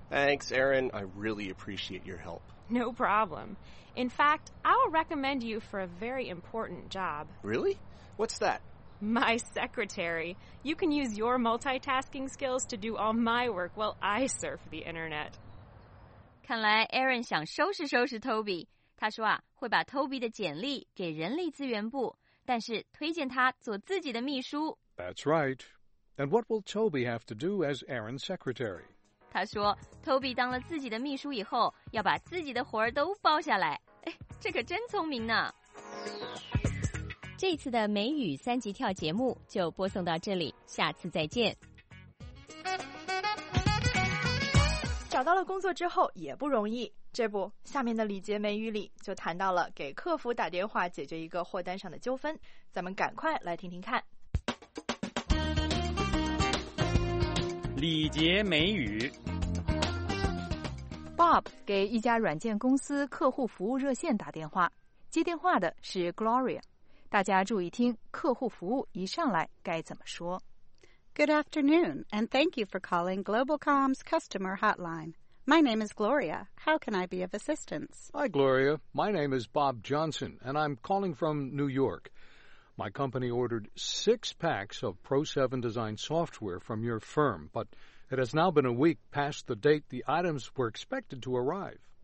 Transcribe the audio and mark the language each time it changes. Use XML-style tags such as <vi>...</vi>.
<en>Thanks, Aaron. I really appreciate your help. No problem. In fact, I'll recommend you for a very important job. Really? What's that? My secretary. You can use your multitasking skills to do all my work while I surf the internet.</en> <zh>看来 Aaron 想收拾收拾 Toby. 他说啊，会把 Toby 的简历给人力资源部，但是推荐他做自己的秘书。</zh> <en>That's right. And what will Toby have to do as Aaron's secretary?</en> <zh>他说 ，Toby 当了自己的秘书以后，要把自己的活儿都包下来。哎，这可真聪明呢。这次的美语三级跳节目就播送到这里，下次再见。找到了工作之后也不容易。这不，下面的礼节美语里就谈到了给客服打电话解决一个货单上的纠纷，咱们赶快来听听看。礼节美语，Bob 给一家软件公司客户服务热线打电话，接电话的是 Gloria。大家注意听，客户服务一上来该怎么说</zh> <en>？Good afternoon, and thank you for calling Globalcom's customer hotline. My name is Gloria. How can I be of assistance? Hi, Gloria. My name is Bob Johnson, and I'm calling from New York. My company ordered 6 packs of Pro 7 Design software from your firm, but it has now been a week past the date the items were expected to arrive.</en>